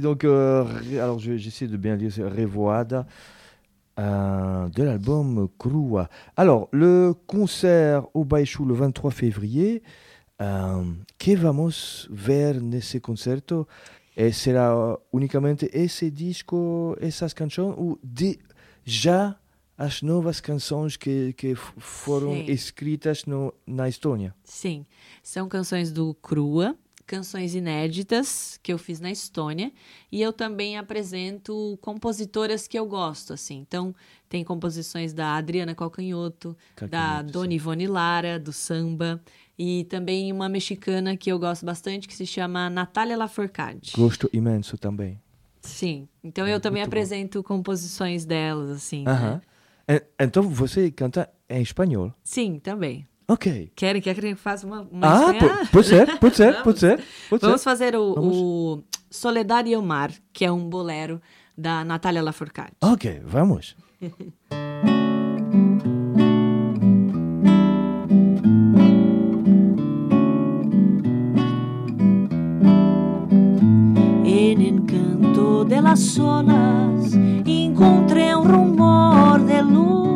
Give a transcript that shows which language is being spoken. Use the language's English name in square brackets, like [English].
[French] Donc, alors j'essaie de bien dire Revoada de l'album Crua. Alors, le concert au Baïchou le 23 février, [Portuguese] que vamos ver nesse concerto? [French] Et sera [Portuguese] unicamente [Spanish] ese disco, esas canciones, [French] ou déjà [Portuguese] as novas canções que foram escritas na Estônia? Sim, são canções do Crua, canções inéditas que eu fiz na Estônia, e eu também apresento compositoras que eu gosto, assim. Então, tem composições da Adriana Calcanhoto, da Dona Ivone Lara, do samba, e também uma mexicana que eu gosto bastante, que se chama Natália Lafourcade. Gosto imenso também. Sim, então eu também apresento composições delas, assim, uh-huh. Né? Então você canta em espanhol? Sim, também. Ok. Querem que a gente faça uma espanhada? Ah, pode ser. Vamos fazer o Soledad y Omar, que é um bolero da Natalia Lafourcade. Ok, vamos. [Spanish] En el canto de las olas encontré un rumor de luz.